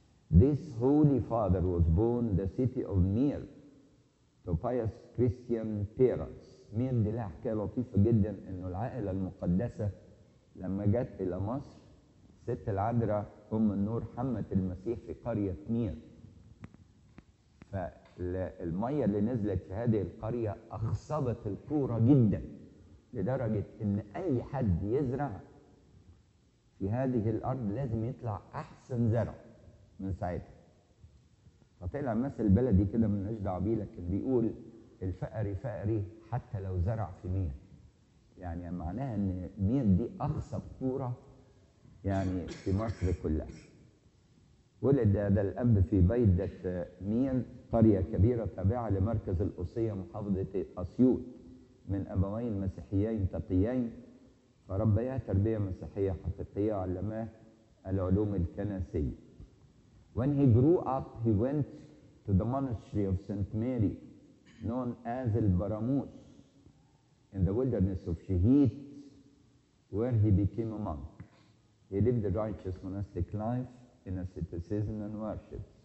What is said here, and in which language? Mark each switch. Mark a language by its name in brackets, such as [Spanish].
[English] This Holy Father was born in the city of Myre to pious Christian parents. [Arabic] Myre دي لها حكاية لطيفة جدا، إنه العائلة المقدسة لما جت إلى مصر ست العذراء أم النور حمت المسيح في قرية مير، فالمية اللي نزلت في هذه القرية أخصبت الكورة جدا لدرجة إن أي حد يزرع في هذه الأرض لازم يطلع أحسن زرع من ساعتها. فطلع مثل بلدي كده من نجدة عبيلة كان بيقول الفقري فقري حتى لو زرع في مير، يعني معناها إن مير دي أخصب كورة يعني في مصر كلها. ولد هذا الأب في بيدة مين، قرية كبيرة تابعة لمركز الأوصية محافظة أسيوط، من أبوين مسيحيين تقيين، فربياه تربية مسيحية حقيقية وعلماه العلوم الكنسية. [English] When he grew up he went to the monastery of Saint Mary known as El Baramut in the wilderness of Shehit where he became a monk. He lived a righteous monastic life in asceticism and worship.